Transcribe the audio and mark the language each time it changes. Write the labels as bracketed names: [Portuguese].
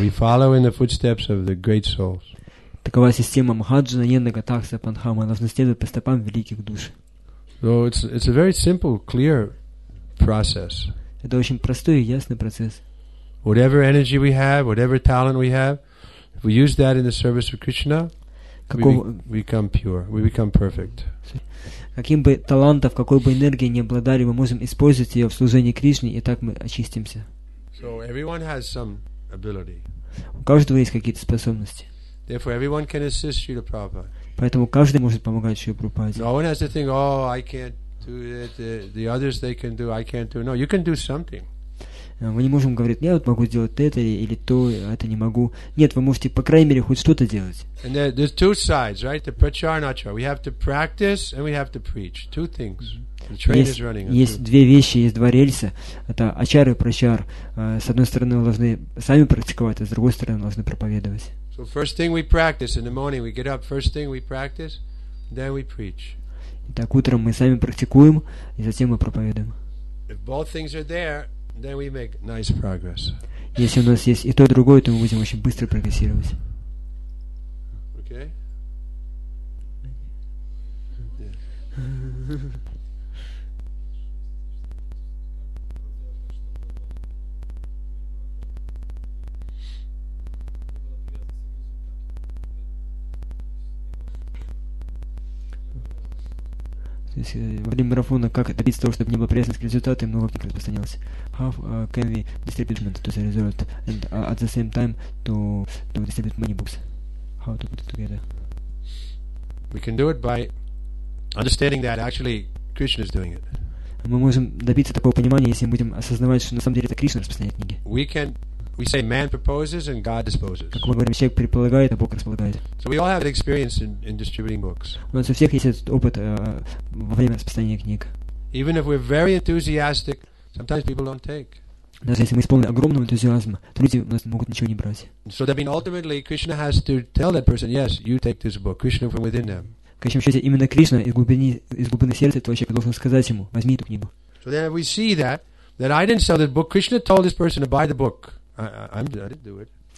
[English] We follow in the footsteps of the great souls. [Russian] Такова система [Sanskrit] Махаджана, Йена Ката Сапанха. [Russian] Мы должны следовать по стопам великих душ. [English] So it's a very simple, clear process. [Russian] Это очень простой и ясный процесс. [English] Whatever energy we have, whatever talent we have, if we use that in the service of Krishna, we become pure, we become perfect. [Russian] Каким бы талантом, какой бы энергией ни обладали, мы можем использовать ее в служении Кришне, и так мы очистимся. [English] So everyone has some ability. [Russian] У каждого есть какие-то способности. [English] Therefore, everyone can assist Srila Prabhupada. [Russian] Поэтому каждый может помогать Шриле Прабхупаде. [English] No one has to think, oh, I can't do it, the others they can do, I can't do it. No, you can do something. [Russian] Мы не можем говорить, я вот могу сделать это или то, это не могу. Нет, вы можете, по крайней мере, хоть что-то делать. [English] And there's two sides, right? The prachar and achar. We have to practice and we have to preach. Two things. The train is running. [Russian] Есть две вещи, есть два рельса. Это ачар и прачар. С одной стороны, вы должны сами практиковать, а с другой стороны, вы должны проповедовать. [English] So first thing we practice in the morning, we get up, first thing we practice, then we preach. [Russian] Итак, утром мы сами практикуем, и затем мы проповедуем. [English] If both things are there, then we make nice progress. [Russian] Если у нас есть и то, и другое, то мы будем очень быстро прогрессировать. [English] Okay. [Russian] То есть во время марафона как добиться того, чтобы не было привязано к результату, и много книг распространялось. [English] How can we distribute to the result and at the same time to distribute many books? How to put it together? We can do it by understanding that actually Krishna is doing it. [Russian] Мы можем добиться такого понимания, если мы будем осознавать, что на самом деле это Кришна распространяет книги. [English] We say man proposes and God disposes. [Russian] Как мы говорим, человек предполагает, а Бог располагает. [English] So we all have experience in distributing books. [Russian] У нас у всех есть этот опыт во время распространения книг. [English] Even if we're very enthusiastic, sometimes people don't take. [Russian] Даже если мы исполнены огромного энтузиазма, люди у нас могут ничего не брать. [English] So that means ultimately Krishna has to tell that person, yes, you take this book. Krishna from within them. [Russian] В конечном счете, именно Кришна из глубины сердца этого человека должен сказать ему, возьми эту книгу. [English] So then we see that I didn't sell this book. Krishna told this person to buy the book. I didn't do it.